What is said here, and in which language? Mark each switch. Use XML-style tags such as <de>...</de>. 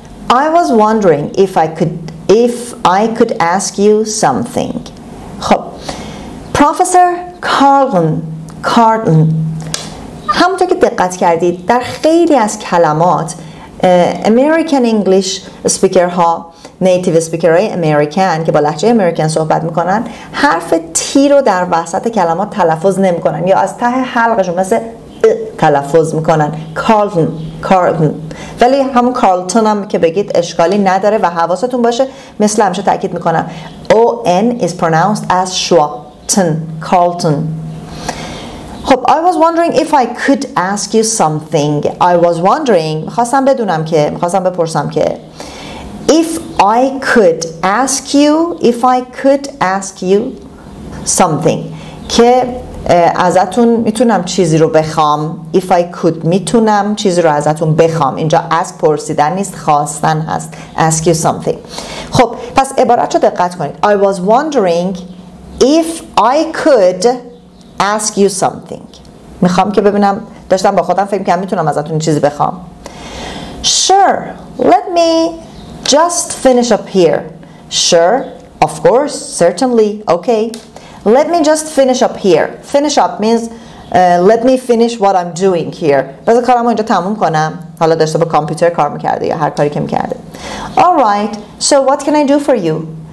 <en>I was wondering if I could ask you something. خب Professor Carlton.</en> <fa>همونطور که دقت کردید در خیلی از کلمات</fa> <en>American English speaker</en> <fa>ها</fa> <en>native speaker</en> <fa>های American که با لهجه American صحبت میکنن حرف تی رو در وسط کلمات تلفظ نمیکنن یا از ته حلقشون مثل تلفظ میکنن Carlton. ولی همون Carlton هم که بگید اشکالی نداره و حواستون باشه مثل همشه تأکید میکنم</fa> <en>O-N is pronounced as schwa Carlton. خب I was wondering if I could ask you something. I was wondering</en> <fa>میخواستم بپرسم که</fa> <en>if I could ask you something</en> <fa>که ازتون میتونم چیزی رو بخوام.</fa> <en>If I could</en> <fa>میتونم چیزی رو ازتون بخوام. اینجا ask پرسیدن نیست، خواستن هست.</fa> <en>Ask you something.</en> <fa>خب پس عبارت رو دقت کنید.</fa> <en>I was wondering if I could ask you something.</en> <fa>میخوام که ببینم، داشتم با خودم فکر کنم میتونم ازتون چیزی بخوام.</fa> <en>Sure, let me just finish up here. Sure, of course, certainly, okay. Let me just finish up here. Finish up means let me finish what I'm doing here.</en> <fa>بذار کارمو اینجا تموم کنم. حالا داشته با کامپیوتر کار میکرده یا هر کاری که میکرده.</fa> <en>Alright, so what can I do for you?</en>